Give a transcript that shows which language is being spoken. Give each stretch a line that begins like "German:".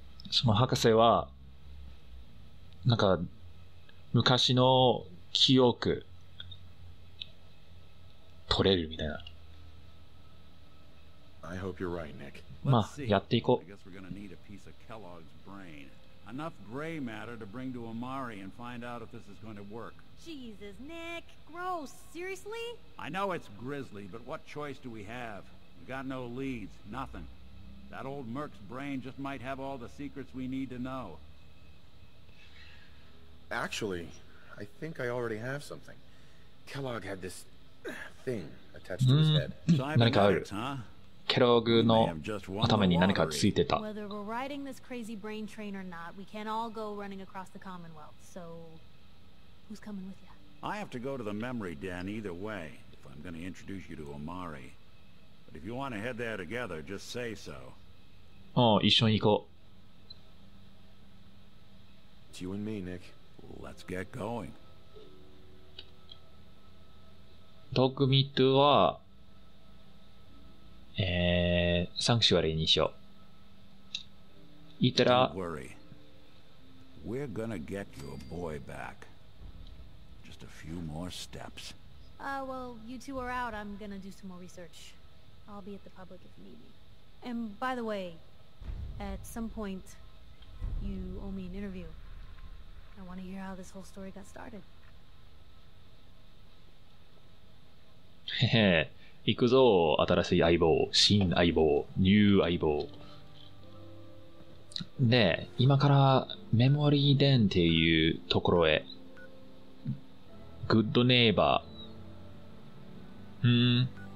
Japanese: その博士は、なんか、昔の記憶、取れるみたいな。
English: I hope you're right, Nick.
Japanese: まあ、やっていこう。
English: I guess we're gonna need a piece of Kellogg's brain. Enough gray matter to bring to Amari and find out if this is going to work. Jesus, Nick! Gross! Seriously? I know it's grisly, but what choice do we have? We got no leads, nothing. That old Merc's brain just might have all the secrets we need to know. Actually, I think I already have something. Kellogg had this... thing attached to his head.
Japanese: 何かある。ケローグの頭に何かついてた。
English: Whether we're riding this crazy brain train or not, we can't all go running across the Commonwealth. So, who's coming with you? I have to go to the memory den either way, if I'm going to introduce you to Amari. But if you want to head there together, just say so.
Japanese: おう、一緒に行こう。
English: It's you and me, Nick. Let's get going.
Japanese: トークミットは、サンクシュアリーにしよう。言ったら、
English: Don't worry. We're gonna get your boy back. Just a few more steps. Well, you two are out. I'm gonna do some more research. I'll be at the public if you need me. And by the way, at some point, you owe me an interview. I wanna hear how this whole story got started.
Japanese: へへ、行くぞ、新しい相棒、新相棒、ニュー相棒。で、今からメモリーデンっていうところへ、グッドネイバー。